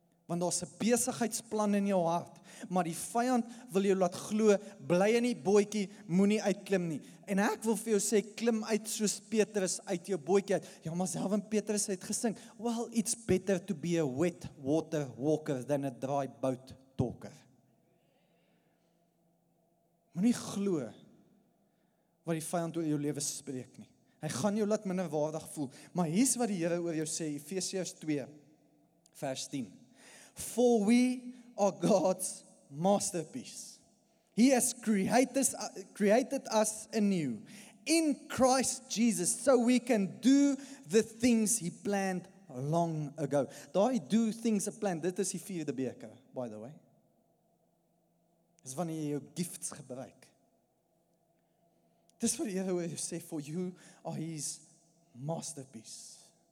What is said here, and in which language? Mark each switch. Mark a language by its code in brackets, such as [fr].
[af] want daar's 'n besigheidsplan in jou hart, maar die vyand wil jou laat glo, bly in die bootjie, moet nie uitklim nie, en ek wil vir jou sê, klim uit soos Petrus uit jou bootjie uit, ja, maar self en Petrus het gesink, [en] well, it's better to be a wet water walker than a dry boat talker. [af] Moet nie glo wat die vyand oor jou lewe spreek nie, Hy gaan jou laat minder waardig voel. Maar hier is wat die Here oor jou sê, Efesiërs 2 vers 10. [en] For we are God's masterpiece. He has created us anew in Christ Jesus so we can do the things he planned long ago. [af] Daai [en] do things a plan, [af] dit is die vierde beker, [en] by the way. [af] Dis wanneer jy jou gifts gebruik. [en] This is what the other way say for you are his masterpiece.